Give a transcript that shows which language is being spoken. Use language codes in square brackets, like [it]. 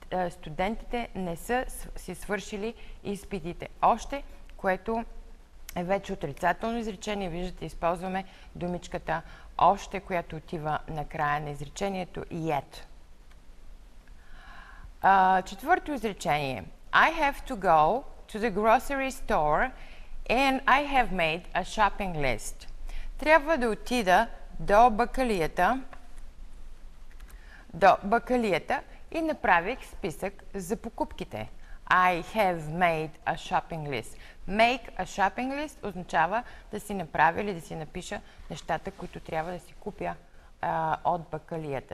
[bg] Студентите не са си свършили изпитите още, което е вече отрицателно изречение. Виждате, използваме думичката още, която отива на края на изречението yet. Четвърто изречение. [en] I have to go to the grocery store and I have made a shopping list. [bg] Трябва да отида до бакалията и направих списък за покупките. [en] I have made a shopping list. Make a shopping list [bg] означава да си направя или да си напиша нещата, които трябва да си купя от бакалията.